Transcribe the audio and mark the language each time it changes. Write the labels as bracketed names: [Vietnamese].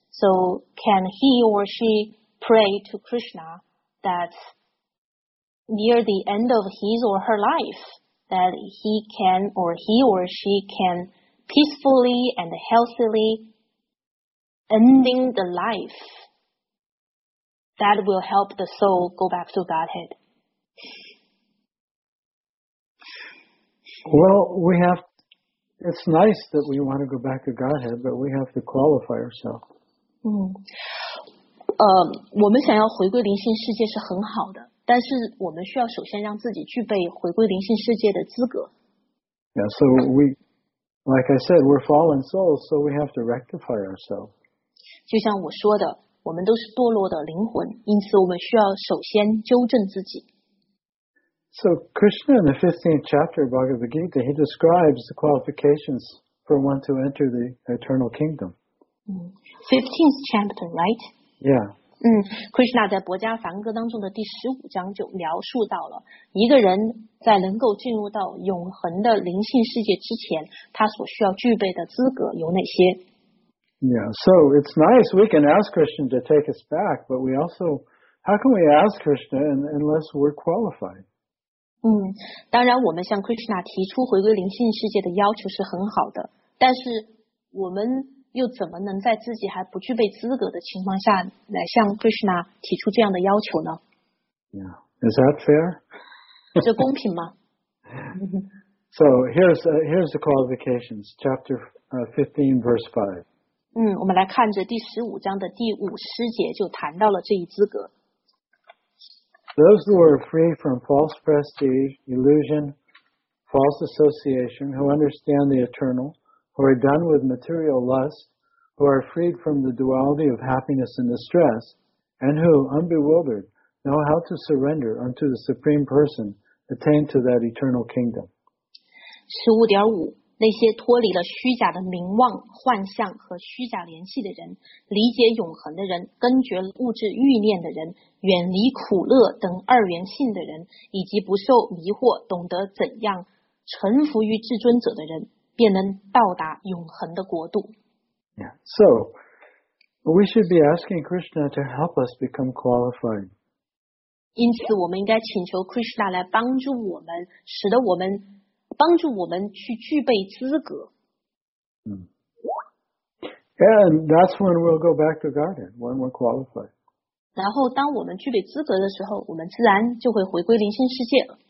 [English] So can he or she pray to Krishna that near the end of his or her life, that he or she can peacefully and healthily ending the life? That will help the soul go back to Godhead. Well, we have, it's nice that we want to go back to Godhead, but we have to qualify ourselves. [Chinese] 我们想要回归灵性世界是很好的，但是我们需要首先让自己具备回归灵性世界的资格。 [English] Yeah, so we, like I said, we're fallen souls, so we have to rectify ourselves. [Chinese] 就像我说的，我们都是堕落的灵魂，因此我们需要首先纠正自己。 [English] So Krishna in the 15th chapter of Bhagavad Gita, he describes the qualifications for one to enter the eternal kingdom. 15th chapter, right? Yeah. [Chinese] Krishna 在薄伽梵歌当中的第十五章就描述到了，一个人在能够进入到永恒的灵性世界之前，他所需要具备的资格有哪些。 [English] Yeah, so it's nice we can ask Krishna to take us back, but we also, how can we ask Krishna unless we're qualified? [Chinese] 当然我们向 Krishna 提出回归灵性世界的要求是很好的，但是我们又怎么能在自己还不具备资格的情况下来向 Krishna 提出这样的要求呢？ [English] Yeah, is that fair? [Chinese] 这公平吗？ [English] So here's the qualifications, chapter 15, verse 5. [Chinese] 我们来看着第十五章的第五十节就谈到了这一资格。 [English] Those who are free from false prestige, illusion, false association, who understand the eternal, who are done with material lust, who are freed from the duality of happiness and distress, and who, unbewildered, know how to surrender unto the Supreme Person, attain to that eternal kingdom. [Chinese] 15.5那些脱离了虚假的名望、幻象和虚假联系的人，理解永恒的人，根绝物质欲念的人，远离苦乐等二元性的人，以及不受迷惑、懂得怎样臣服于至尊者的人，便能到达永恒的国度。 [English] Yeah. So, we should be asking Krishna to help us become qualified. [Chinese] 因此我们应该请求 Krishna 来帮助我们，使得我们帮助我们去具备资格。 [English] And that's when we'll go back to garden, when we're qualified. [Chinese] 然后当我们具备资格的时候，我们自然就会回归灵性世界。